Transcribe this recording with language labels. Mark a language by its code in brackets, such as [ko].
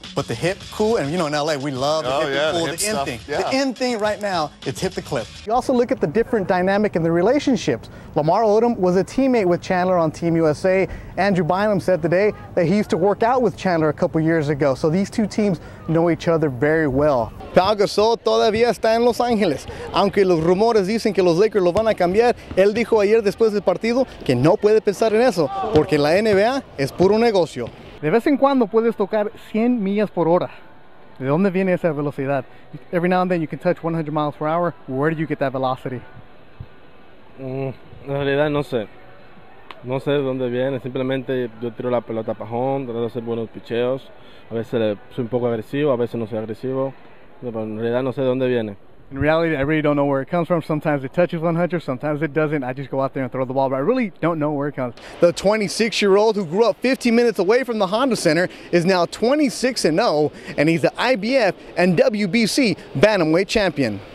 [en] But the hip, cool, and you know, in L.A., we love the hip, the in thing. Yeah. The in thing right now, it's hip the clip. You also look at the different dynamic in the relationships. Lamar Odom was a teammate with Chandler on Team USA. Andrew Bynum said today that he used to work out with Chandler a couple years ago. So these two teams know each other very well. [es] Pau Gasol todavía está en Los Ángeles. Aunque los rumores dicen que los Lakers lo van a cambiar, él dijo ayer después del partido que no puede pensar en eso, porque la NBA es puro negocio. De vez en cuando puedes tocar 100 millas por hora. ¿De dónde viene esa velocidad? [en] Every now and then you can touch 100 miles per hour. Where do you get that velocity? [es] En realidad no sé. No sé de dónde viene. Simplemente yo tiro la pelota para home, trato de hacer buenos picheos. A veces soy un poco agresivo, a veces no soy agresivo. Pero en realidad no sé de dónde viene. [en] In reality, I really don't know where it comes from. Sometimes it touches 100, sometimes it doesn't. I just go out there and throw the ball, but I really don't know where it comes. The 26-year-old who grew up 15 minutes away from the Honda Center is now 26-0, and he's the IBF and WBC Bantamweight Champion.